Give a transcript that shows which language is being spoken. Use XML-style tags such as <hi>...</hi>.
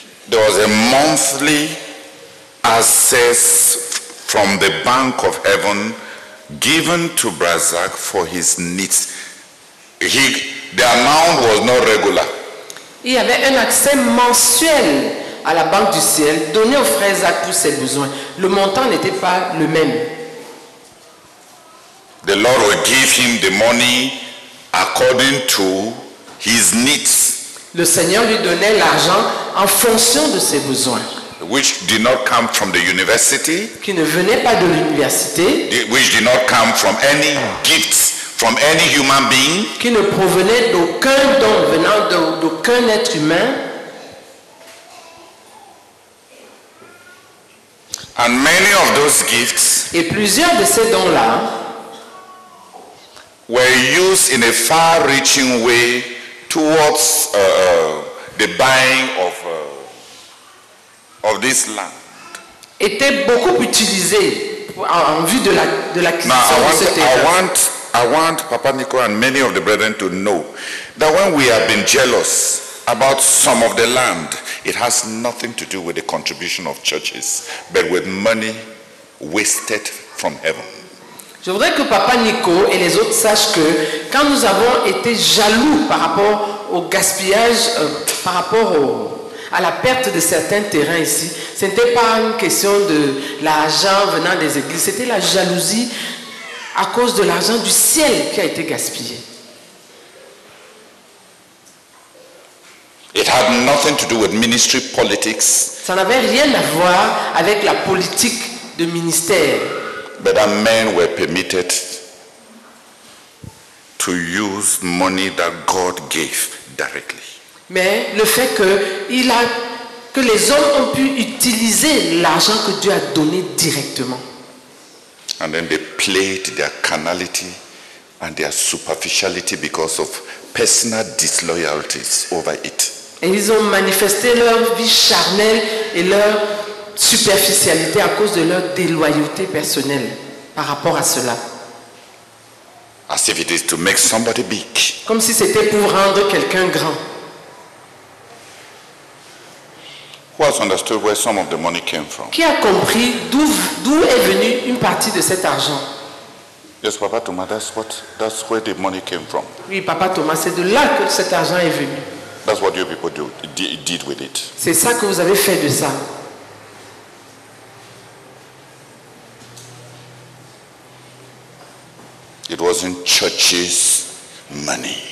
<en>there was a monthly access from the Bank of Heaven given to Brazac for his needs. The amount was not regular.</en> <fr>Il y avait un accès mensuel à la Banque du Ciel donné aux frères Zach pour ses besoins. Le montant n'était pas le même.</fr> <en>The Lord will give him the money according to his needs.</en> <fr>Le Seigneur lui donnait l'argent en fonction de ses besoins.</fr> <en>Which did not come from the university.</en> <fr>Qui ne venait pas de l'université.</fr> <en>Which did not come from any gifts. From any human being,</en> <fr>qui ne provenait d'aucun don venant d'aucun être humain.</fr> <en>And many of those gifts,</en> <fr>et plusieurs de ces dons-là,</fr> <en>were used in a far-reaching way towards the buying of this land.</en> <fr>Étaient beaucoup utilisés en vue de l'acquisition</fr> <en>now,</en> <fr>de ce terrain.</fr> <en>I want Papa Nico and many of the brethren to know that when we have been jealous about some of the land, it has nothing to do with the contribution of churches, but with money wasted from heaven.</en> <fr>Je voudrais que Papa Nico et les autres sachent que quand nous avons été jaloux par rapport au gaspillage, par rapport à la perte de certains terrains ici, ce n'était pas une question de l'argent venant des églises, c'était la jalousie à cause de l'argent du ciel qui a été gaspillé.</fr> <en>It had nothing to do with ministry politics.</en> <fr>Ça n'avait rien à voir avec la politique de ministère.</fr> <en>But the men were permitted to use money that God gave directly.</en> <fr>Mais le fait que les hommes ont pu utiliser l'argent que Dieu a donné directement.</fr> <en>And then they played their carnality and their superficiality because of personal disloyalties over it.</en> <fr>Et ils ont manifesté leur vie charnelle et leur superficialité à cause de leur déloyauté personnelle par rapport à cela.</fr> <en>As if it is to make somebody big.</en> <fr>Comme si c'était pour rendre quelqu'un grand.</fr> <en>Who has understood where some of the money came from?</en> <fr>Qui a compris d'où est venue une partie de cet argent?</fr> <en>Yes, Papa Thomas, that's where the money came from.</en> <fr>Oui, Papa Thomas, c'est de là que cet argent est venu.</fr> <en>That's what you people did with it.</en> <fr>C'est ça que vous avez fait de ça.</fr> <en>It wasn't church's money.</en>